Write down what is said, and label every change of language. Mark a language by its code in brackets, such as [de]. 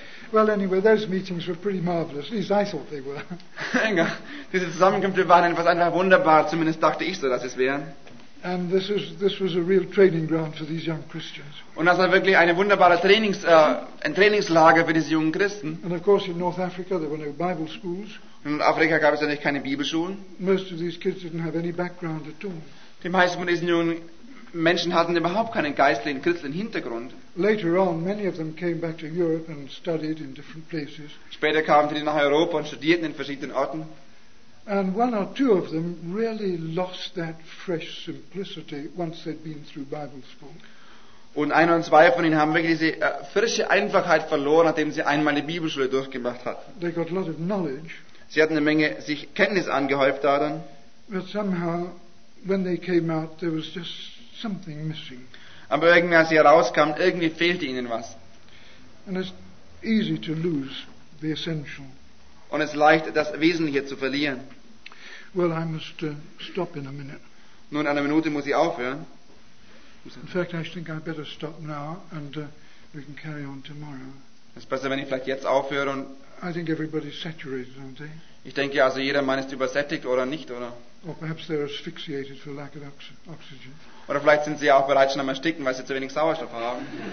[en] Well, anyway, those meetings were pretty marvelous. At least I thought they were. [de] Diese Zusammenkünfte waren etwas einfach wunderbar. Zumindest dachte ich so, dass es wären. [en] And this was a real training ground for these young Christians. [de] Und das war wirklich eine wunderbare Trainingslager für diese jungen Christen. [en] And of course, in North Africa there were no Bible schools. [de] In Afrika gab es ja nicht keine Bibelschulen. [en] Most of these kids didn't have any background at all. [de] Die meisten von diesen jungen Menschen hatten überhaupt keinen geistlichen, christlichen Hintergrund. [en] Later on, many of them came back to Europe and studied in different places. [de] Später kamen sie nach Europa und studierten in verschiedenen Orten. [en] And one or two of them really lost that fresh simplicity once they'd been through Bible school. [de] Und ein oder zwei von ihnen haben wirklich diese frische Einfachheit verloren, nachdem sie einmal die Bibelschule durchgemacht hatten. [en] They got a lot of knowledge. [de] Sie hatten eine Menge sich Kenntnis angehäuft daran. [en] But somehow, when they came out, there was just something missing. [de] Aber irgendwie, als sie herauskamen, irgendwie fehlte ihnen was. [en] And it's easy to lose the essential. [de] Und es ist leicht, das Wesentliche zu verlieren. [en] Well, I must stop in a minute. [de] Nun, in einer Minute muss ich aufhören. [en] In fact, I think I better stop now and we can carry on tomorrow. [de] Es ist besser, wenn ich vielleicht jetzt aufhöre und [en] I think everybody's saturated, aren't they? [de] Ich denke, also jeder Mann ist übersättigt oder nicht, oder? [en] Or perhaps they're asphyxiated for lack of oxygen. [de] Oder vielleicht sind sie auch bereits schon am Ersticken, weil sie zu wenig Sauerstoff haben.